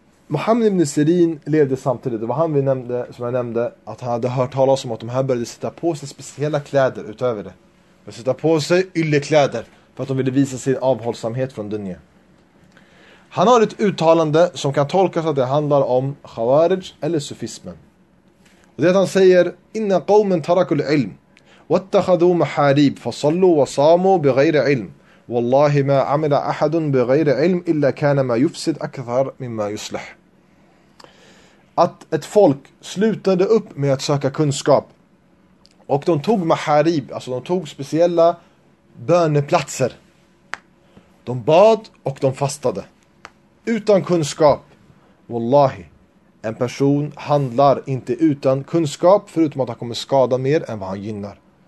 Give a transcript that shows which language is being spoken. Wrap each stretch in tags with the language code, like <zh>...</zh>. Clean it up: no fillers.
<sv>Muhammad ibn Sirin levde samtidigt. Det var han vi nämnde, som jag nämnde, att han hade hört talas om att de här började sätta på sig speciella kläder utöver det. Och sätta på sig yllekläder för att de ville visa sin avhållsamhet från dunja. Han har ett uttalande som kan tolkas att det handlar om khawarij eller sufismen. Och det är att han säger</sv> <ar>inna qawmen tarakul ilm واتخذوا محاريب فصلوا وصاموا بغير علم والله ما عمل احد بغير علم الا كان ما يفسد اكثر مما يصلح.</ar> <sv>Att ett folk slutade upp med att söka kunskap och de tog maharib, alltså de tog speciella böneplatser, de bad och de fastade utan kunskap. Wallahi, en person handlar inte utan kunskap förutom att han kommer skada mer än vad han gynnar.</sv>